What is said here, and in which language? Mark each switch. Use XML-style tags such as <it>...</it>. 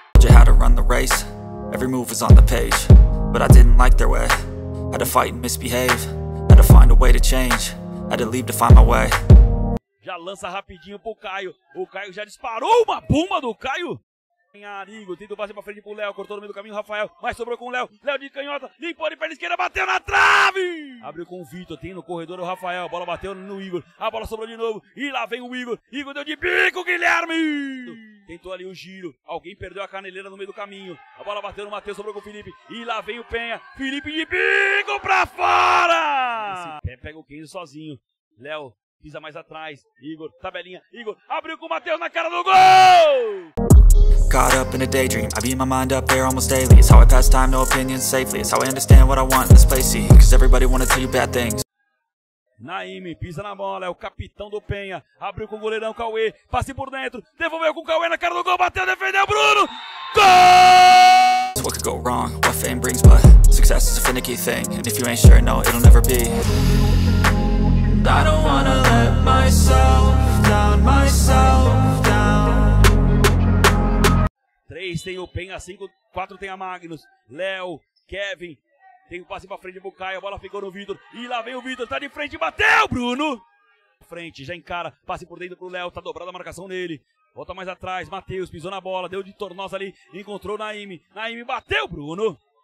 <en>You had to run the race, every move was on the page, but I didn't like their way, had to fight and misbehave, had to find a way to change, had to leave to find my way.</en> <pt>Já lança rapidinho pro Caio, o Caio já disparou uma bomba do Caio! Arigo, tenta passar pra frente pro Léo, cortou no meio do caminho o Rafael, mas sobrou com o Léo, Léo de canhota, limpou de perna esquerda, bateu na trave! Abriu com o Vitor, tem no corredor o Rafael, a bola bateu no Igor, a bola sobrou de novo, e lá vem o Igor, Igor deu de bico, Guilherme! Tentou ali o giro, alguém perdeu a caneleira no meio do caminho, a bola bateu no Matheus, sobrou com o Felipe, e lá vem o Penha, Felipe de bico pra fora! Esse pé pega o Kenzo sozinho, Léo pisa mais atrás, Igor, tabelinha, Igor, abriu com o Matheus na cara do gol!</pt> <en>Caught up in a daydream, I beat my mind up there almost daily. It's how I pass time, no opinions safely. It's how I understand what I want in this place. Cause everybody wanna tell you bad things.</en> <pt>Naime, pisa na bola, é o capitão do Penha. Abriu com o goleirão Cauê, passe por dentro. Devolveu com o Cauê na cara do gol, bateu, defendeu, Bruno! Gol!</pt> <en>What could go wrong, what fame brings, but success is a finicky thing. And if you ain't sure, no, it'll never be. I don't wanna let myself down, myself.</en> <pt>3 tem o Penha, 5, 4 tem a Magnus, Léo, Kevin, tem o passe pra frente pro Caio, a bola ficou no Vitor, e lá vem o Vitor, tá de frente, bateu, Bruno! Frente, já encara, passe por dentro pro Léo, tá dobrada a marcação nele, volta mais atrás, Matheus, pisou na bola, deu de tornosa ali, encontrou o Naime, Naime bateu, Bruno!</pt>